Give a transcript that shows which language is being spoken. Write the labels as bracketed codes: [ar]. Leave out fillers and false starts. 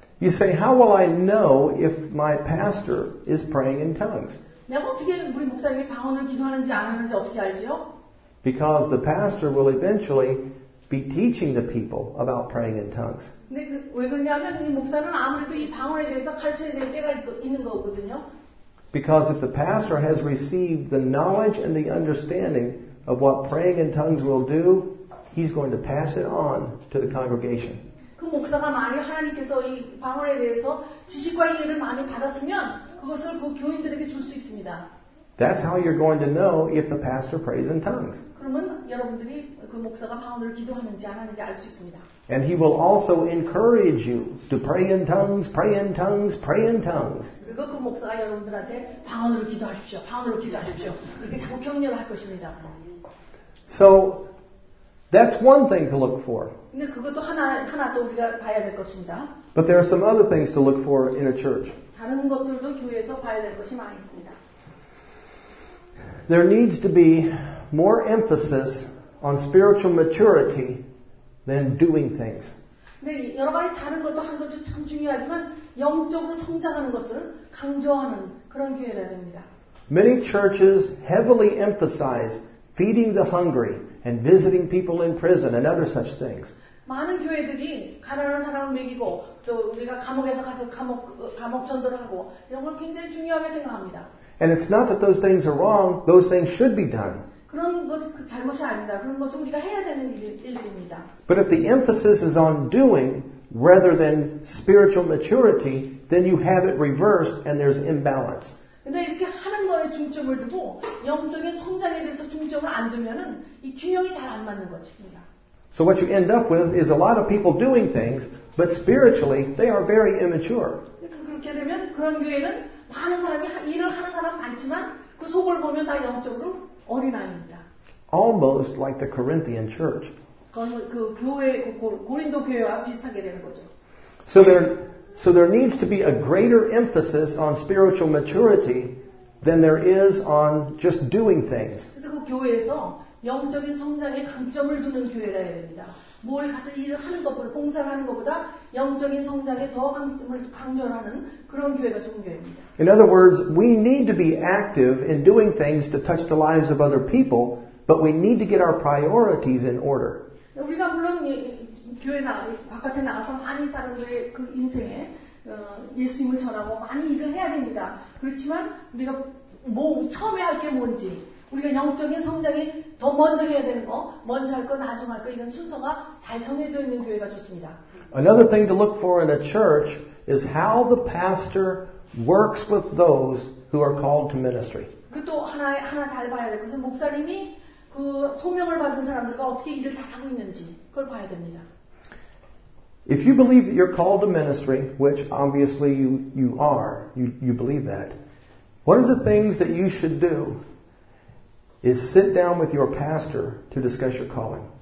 [en] You say, how will I know if my pastor is praying in tongues? [ko] 내가 어떻게 우리 목사님이 방언을 기도하는지 안 하는지 어떻게 알지요? [en] Because the pastor will eventually be teaching the people about praying in tongues. [ko] 네, 왜 그러냐면 우리 목사는 아무래도 이 방언에 대해서 가르쳐야 될 때가 있는 거거든요. [en] Because if the pastor has received the knowledge and the understanding of what praying in tongues will do, he's going to pass it on to the congregation. [ko] 그 목사가 만약 하나님께서 이 방언에 대해서 지식과 이해를 많이 받았으면 그것을 그 교인들에게 줄 수 있습니다. [en] That's how you're going to know if the pastor prays in tongues. [ko] 그러면 여러분들이 그 목사가 방언을 기도하는지 안 하는지 알 수 있습니다. [en] And he will also encourage you to pray in tongues, pray in tongues, pray in tongues. [ko] 그리고 그 목사가 여러분들한테 방언으로 기도하십시오, 방언으로 기도하십시오. 그렇게 자꾸 격려를 할 것입니다. [en] So that's one thing to look for. [ko] 근데 그것도 하나 또 우리가 봐야 될 것입니다. [en] But there are some other things to look for in a church. [ko] 다른 것들도 교회에서 봐야 될 것이 많이 있습니다. [en] There needs to be more emphasis on spiritual maturity than doing things. [ko] 근데 여러 가지 다른 것도 하는 것도 참 중요하지만 영적으로 성장하는 것을 강조하는 그런 교회가 됩니다. [en] Many churches heavily emphasize feeding the hungry and visiting people in prison and other such things. [ko] 많은 교회들이 가난한 사람을 먹이고 또 우리가 감옥에서 가서 감옥 전도를 하고 이런 걸 굉장히 중요하게 생각합니다. [en] And it's not that those things are wrong. Those things should be done. [ko] 그런 것 잘못이 아닙니다. 그런 것은 우리가 해야 되는 일입니다. [en] But if the emphasis is on doing rather than spiritual maturity, then you have it reversed and there's imbalance. [ko] 근데 이렇게 하는 거에 중점을 두고 영적인 성장에 대해서 중점을 안 두면은 이 균형이 잘 안 맞는 것입니다. [en] So what you end up with is a lot of people doing things, but spiritually they are very immature. [ko] 그렇게 되면 그런 교회는 많은 사람이 일을 하는 사람 많지만 그 속을 보면 다 영적으로 어린아이입니다. [en] Almost like the Corinthian church. [ko] 그 교회 고린도 교회와 비슷하게 되는 거죠. [en] So there needs to be a greater emphasis on spiritual maturity than there is on just doing things. [ko] 그래서 그 교회에서 영적인 성장에 강점을 두는 교회라 해야 됩니다. 뭘 가서 일을 하는 것보다 봉사를 하는 것보다 영적인 성장에 더 강점을 강조하는 그런 교회가 좋은 교회입니다. [en] In other words, we need to be active in doing things to touch the lives of other people, but we need to get our priorities in order. [ko] 우리가 물론 교회나 바깥에 나가서 많은 사람들의 그 인생에 예수님을 전하고 많이 일을 해야 됩니다. 그렇지만 우리가 뭐 처음에 할 게 뭔지 우리가 영적인 성장이 더 먼저 해야 되는 거, 먼저 할 거, 나중 할 거 이런 순서가 잘 정해져 있는 교회가 좋습니다. [en] Another thing to look for in a church is how the pastor works with those who are called to ministry. [ko] 그 또 하나 잘 봐야 될 것은 목사님이 그 소명을 받은 사람들과 어떻게 일을 잘 하고 있는지 그걸 봐야 됩니다. [en] If you believe that you're called to ministry, which obviously you are, you believe that, one of the things that you should do is sit down with your pastor to discuss your calling.